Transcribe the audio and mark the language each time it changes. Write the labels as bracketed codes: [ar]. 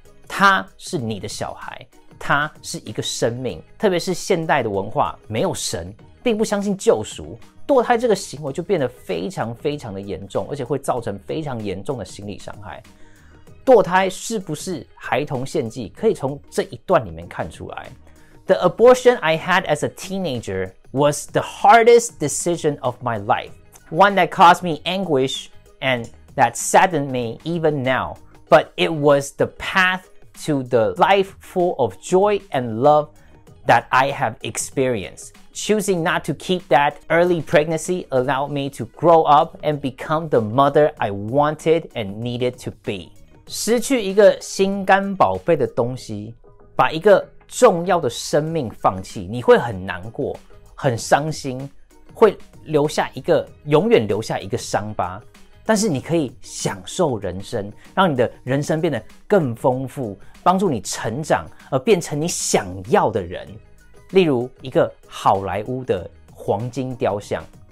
[zh] 他是你的小孩，他是一个生命，特别是现代的文化没有神，并不相信救赎，堕胎这个行为就变得非常非常的严重，而且会造成非常严重的心理伤害。堕胎是不是孩童献祭，可以从这一段里面看出来。 [en] The abortion I had as a teenager was the hardest decision of my life, one that caused me anguish and that saddened me even now, but it was the path to the life full of joy and love that I have experienced. Choosing not to keep that early pregnancy allowed me to grow up and become the mother I wanted and needed to be. [zh] 失去一个心肝宝贝的东西，把一个重要的生命放弃，你会很难过，很伤心，会留下一个，永远留下一个伤疤，但是你可以享受人生，让你的人生变得更丰富，帮助你成长，而变成你想要的人，例如一个好莱坞的黄金雕像，